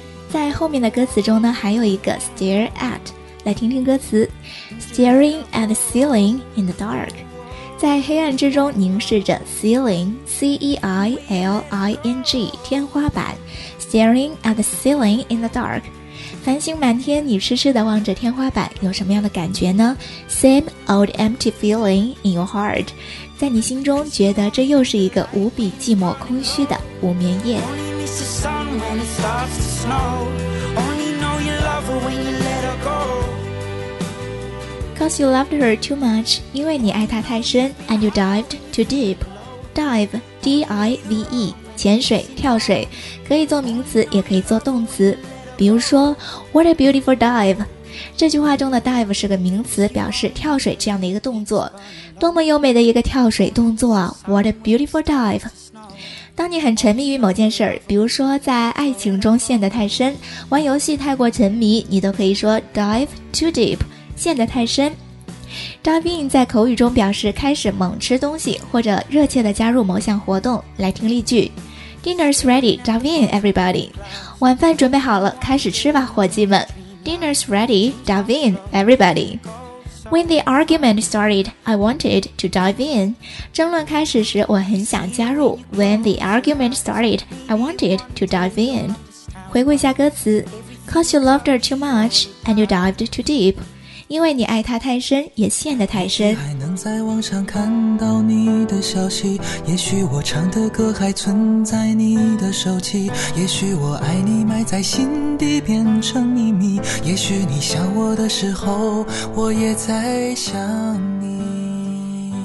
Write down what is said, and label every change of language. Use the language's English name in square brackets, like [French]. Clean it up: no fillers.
[Chinese] 在后面的歌词中呢还有一个 stare at 来听听歌词 [English] Staring at the ceiling in the dark [Chinese] 在黑暗之中凝视着 ceiling C-E-I-L-I-N-G 天花板Staring at the ceiling in the dark. 繁星满天你痴痴地望着天花板有什么样的感觉呢 [English] Same old empty feeling in your heart. [Chinese] 在你心中觉得这又是一个无比寂寞空虚的无眠夜。 [English] Only miss the sun when it starts to snow. Only know you love her when you let her go. Cause you loved her too much. [Chinese] 因为你爱她太深 [English] and you dived too deep. Dive, D-I-V-E. [Chinese] 潜水跳水可以做名词也可以做动词比如说 [English] What a beautiful dive [Chinese] 这句话中的 dive 是个名词表示跳水这样的一个动作多么优美的一个跳水动作 What a beautiful dive 当你很沉迷于某件事比如说在爱情中陷得太深玩游戏太过沉迷你都可以说 dive too deep 陷得太深 diving 在口语中表示开始猛吃东西或者热切地加入某项活动来听例句 [English] Dinner's ready, dive in, everybody. [Chinese] 晚饭准备好了，开始吃吧，伙计们。 [English] Dinner's ready, dive in, everybody. When the argument started, I wanted to dive in. [Chinese] 争论开始时，我很想加入。 [English] When the argument started, I wanted to dive in. [Chinese] 回顾一下歌词 [English] Cause you loved her too much, and you dived too deep. [Chinese] 因为你爱她太深，也陷得太深。在网上看到你的消息也许我唱的歌还存在你的手机也许我爱你埋在心底变成秘密也许你想我的时候我也在想你